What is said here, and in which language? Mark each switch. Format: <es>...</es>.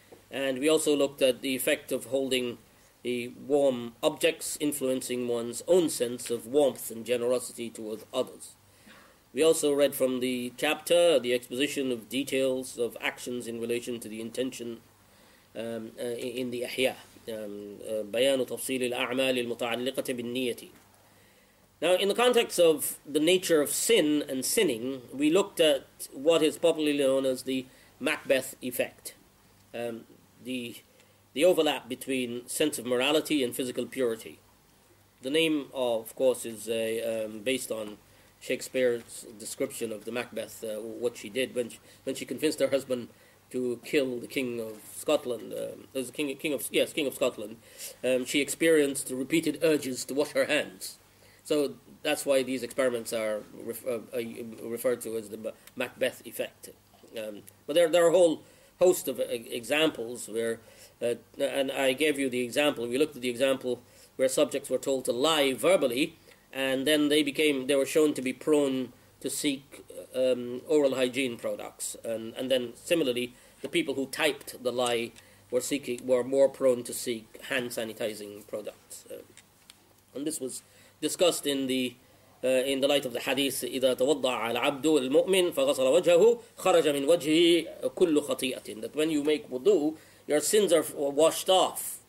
<en>And we also looked at the effect of holding the warm objects, influencing one's own sense of warmth and generosity towards others. We also read from the chapter the exposition of details of actions in relation to the intention in the Ihya.</en> <ar>بيان تفصيل الأعمال المتعلقة بالنية.</ar> <en>Now, in the context of the nature of sin and sinning, we looked at what is popularly known as the Macbeth effect, the overlap between sense of morality and physical purity. The name, of course, is based on Shakespeare's description of the Macbeth, what she did when she convinced her husband to kill the King of Scotland. King of Scotland. She experienced repeated urges to wash her hands. So that's why these experiments are referred to as the Macbeth effect. But there are a whole host of examples where, and I gave you the example, we looked at the example where subjects were told to lie verbally, and then they were shown to be prone to seek oral hygiene products. And then similarly, the people who typed the lie were more prone to seek hand sanitizing products. And this was discussed in the light of the hadith,</en> <ar>إِذَا تَوَضَّعَ الْعَبْدُ الْمُؤْمِنُ فَغَسَلَ وَجْهَهُ خَرَجَ مِنْ وَجْهِهِ كُلُّ خَطِيئَةٍ.</ar> <en>That when you make wudu, your sins are washed off.</en>